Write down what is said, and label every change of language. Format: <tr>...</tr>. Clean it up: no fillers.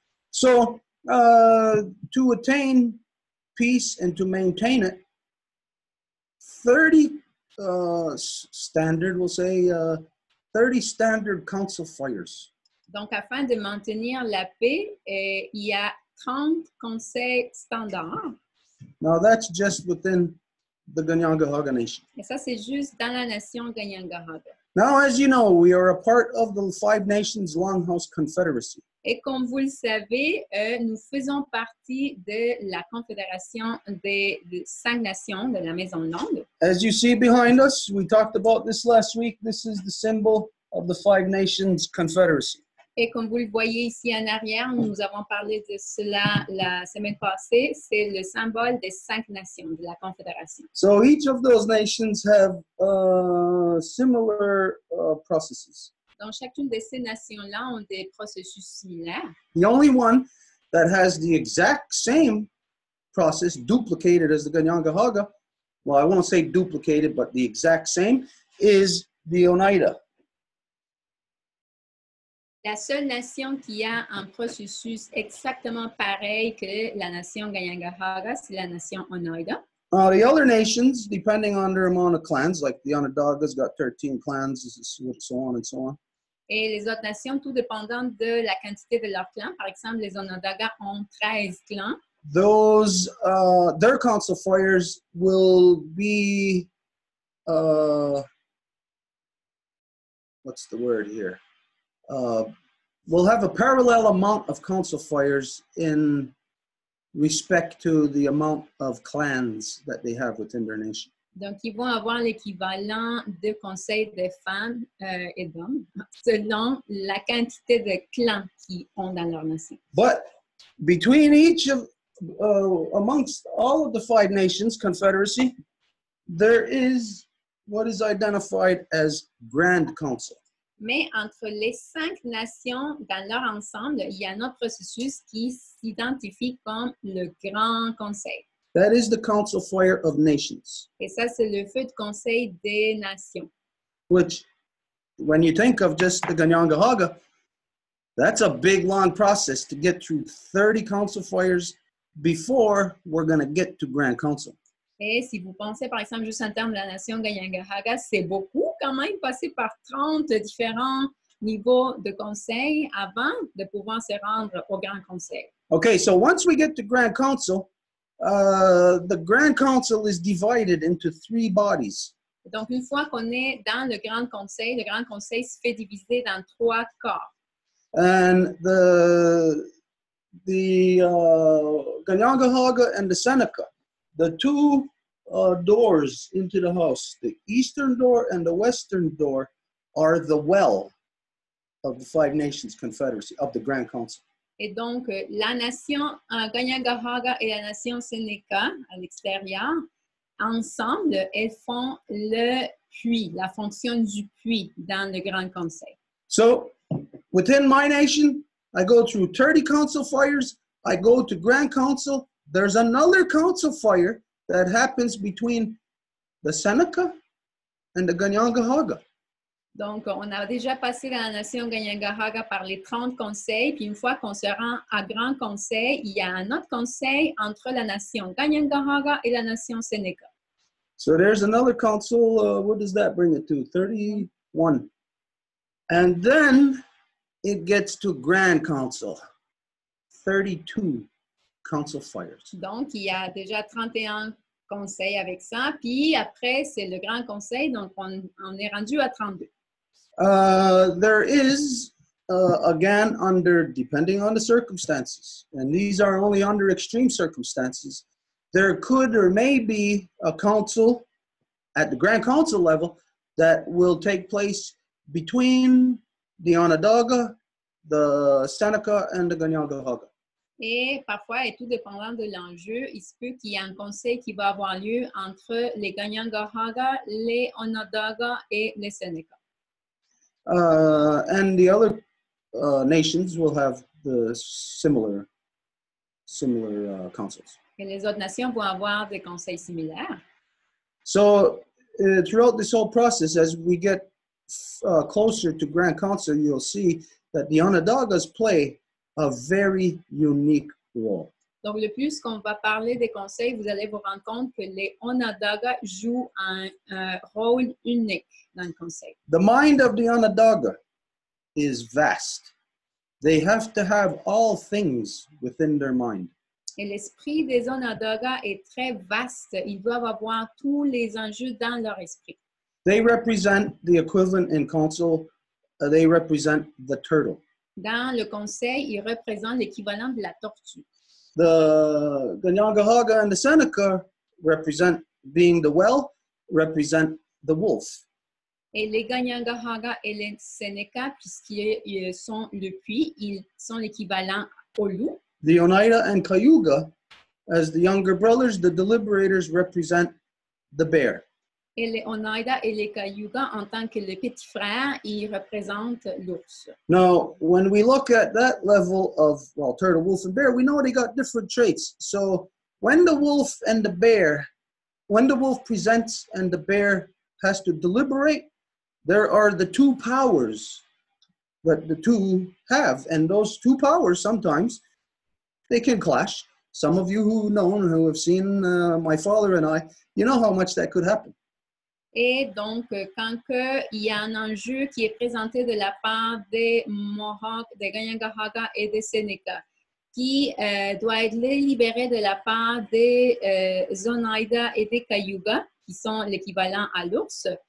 <en>So, to attain peace and to maintain it, 30 standard, we'll say, 30 standard council fires.</en> <fr>Donc, afin de maintenir la paix, il y a 30 conseils standards.</fr> <en>Now that's just within the Ganyangahaga nation.</en> <fr>Et ça, c'est juste dans la nation Ganyangahaga.</fr> <en>Now, as you know, we are a part of the Five Nations Longhouse Confederacy.</en> <fr>Et comme vous le savez, nous faisons partie de la confédération des cinq nations de la Maison Longue.</fr> <en>As you see behind us, we talked about this last week. This is the symbol of the Five Nations Confederacy.</en> <fr>Et comme vous le voyez ici en arrière, nous avons parlé de cela la semaine passée, c'est le symbole des cinq nations de la Confédération.</fr> <en>So each of those nations have similar processes.</en> <fr>Donc chacune de ces nations-là ont des processus similaires.</fr> <en>The only one that has the exact same process duplicated as the Ganyangahaga, well I won't say duplicated, but the exact same, is the Oneida.</en> <fr>La seule nation qui a un processus exactement pareil que la nation Ganyangahaga, c'est la nation Oneida.</fr> <en>The other nations, depending on their amount of clans, like the Onondaga's got 13 clans, so on and so on.</en> <fr>Et les autres nations, tout dépendant de la quantité de leurs clans, par exemple, les Onondaga ont 13 clans.</fr> <en>Those, their council fires will be, what's the word here? we'll have a parallel amount of council fires in respect to the amount of clans that they have within their nation.</en> <fr>Donc, ils vont avoir l'équivalent de conseils des femmes et d'hommes selon la quantité de clans qu'ils ont dans leur nation.</fr> <en>But between each of, amongst all of the five nations confederacy, there is what is identified as Grand Council.</en> <fr>Mais entre les cinq nations dans leur ensemble, il y a un autre processus qui s'identifie comme le Grand Conseil.</fr> <en>That is the Council Fire of Nations.</en> <fr>Et ça, c'est le feu de conseil des nations.</fr> <en>Which, when you think of just the Ganyangahaga, that's a big, long process to get through 30 council fires before we're going to get to Grand Council.</en> <fr>Et si vous pensez, par exemple, juste en termes de la nation Ganyangahaga, c'est beaucoup quand même passer par 30 différents niveaux de conseil avant de pouvoir se rendre au Grand Conseil.</fr> <en>Okay, so once we get to Grand Council, the Grand Council is divided into three bodies.</en> <fr>Donc une fois qu'on est dans le Grand Conseil se fait diviser dans trois corps.</fr> <en>And the Ganyangahaga and the Seneca, the two doors into the house, the eastern door and the western door, are the well of the Five Nations Confederacy, of the Grand Council.</en> <fr>Et donc, la nation Ganyangahaga et la nation Seneca, à l'extérieur, ensemble, elles font le puits, la fonction du puits dans le Grand Conseil.</fr> <en>So, within my nation, I go through 30 council fires, I go to Grand Council, there's another council fire that happens between the Seneca and the Ganyangahaga.</en> <fr>Donc, on a déjà passé dans la nation Ganyangahaga par les 30 conseils, puis une fois qu'on se rend à Grand Conseil, il y a un autre conseil entre la nation Ganyangahaga et la nation Seneca.</fr> <en>So there's another council, what does that bring it to? 31. And then it gets to Grand Council. 32 council fires.</en> <fr>Donc, il y a déjà 31 conseils avec ça, puis après, c'est le Grand Conseil, donc on est rendu à 32.</fr> <en>There is, again, under, depending on the circumstances, and these are only under extreme circumstances, there could or may be a council at the Grand Council level that will take place between the Onondaga, the Seneca, and the Ganyangahaga.</en> <fr>Et parfois, et tout dépendant de l'enjeu, il se peut qu'il y ait un conseil qui va avoir lieu entre les Ganyangahaga, les Onondaga, et les Seneca.</fr> <en>And the other nations will have the similar councils.</en> <fr>Et les autres nations vont avoir des conseils similaires.</fr> <en>So, throughout this whole process, as we get closer to Grand Council, you'll see that the Onondagas play a very unique role.</en> <fr>Donc, le plus qu'on va parler des conseils, vous allez vous rendre compte que les Onondaga jouent un rôle unique dans le conseil.</fr> <en>The mind of the Onondaga is vast. They have to have all things within their mind.</en> <fr>Et l'esprit des Onondaga est très vaste. Ils doivent avoir tous les enjeux dans leur esprit.</fr> <en>They represent the equivalent in council. They represent the turtle.</en> <fr>Dans le conseil, ils représentent l'équivalent de la tortue.</fr> <en>The Ganyangahaga and the Seneca represent being the well, represent the wolf.</en> <fr>Et les Ganyangahaga et les Seneca, puisqu'ils sont le puits, ils sont l'équivalent au loup.</fr> <en>The Oneida and Cayuga, as the younger brothers, the deliberators, represent the bear.</en> <fr>Et les Oneida et les Cayuga, en tant que les petits frères, ils représentent l'ours.</fr> <en>Now, when we look at that level of, well, turtle, wolf, and bear, we know they got different traits. So, when the wolf presents and the bear has to deliberate, there are the two powers that the two have. And those two powers, sometimes, they can clash. Some of you who know and who have seen my father and I, you know how much that could happen.</en> <fr>Et donc, quand il y a un enjeu qui est présenté de la part des Mohawks, des Ganyangahaga et des Seneca, qui doit être délibéré de la part des Oneida et des Cayuga, qui sont l'équivalent à l'ours,</fr>